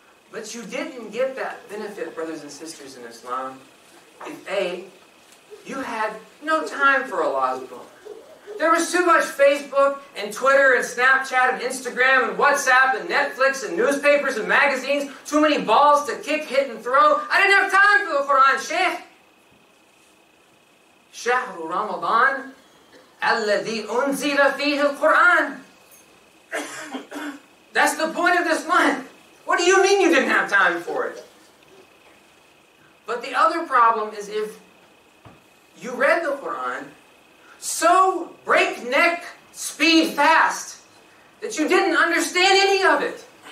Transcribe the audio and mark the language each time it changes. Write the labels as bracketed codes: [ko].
[en] But you didn't get that benefit, brothers and sisters in Islam, if A, you had no time for Allah's book. There was too much Facebook and Twitter and Snapchat and Instagram and WhatsApp and Netflix and newspapers and magazines. Too many balls to kick, hit, and throw. I didn't have time for the Quran, Shaykh. [ar] شهر رمضان الذي أنزل فيه القرآن. [en] That's the point of this month. What do you mean you didn't have time for it? But the other problem is if you read the Quran so breakneck speed fast that you didn't understand any of it.